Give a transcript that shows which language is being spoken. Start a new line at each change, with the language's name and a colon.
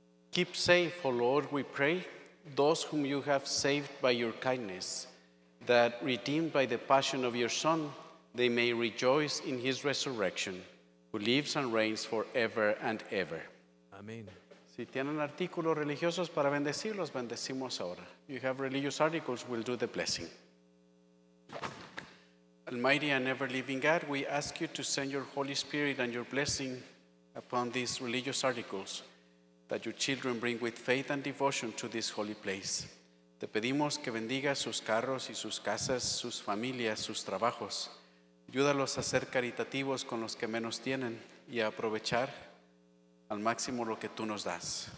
English: Keep safe, O Lord, we pray, those whom you have saved by your kindness, that redeemed by the passion of your Son, they may rejoice in his resurrection, who lives and reigns forever and ever. Amen.
Spanish: Si tienen artículos religiosos para bendecir, los bendecimos ahora.
English: If you have religious articles, we'll do the blessing. Almighty and ever-living God, we ask you to send your Holy Spirit and your blessing upon these religious articles that your children bring with faith and devotion to this holy place.
Spanish: Te pedimos que bendiga sus carros y sus casas, sus familias, sus trabajos. Ayúdalos a ser caritativos con los que menos tienen y a aprovechar al máximo lo que tú nos das.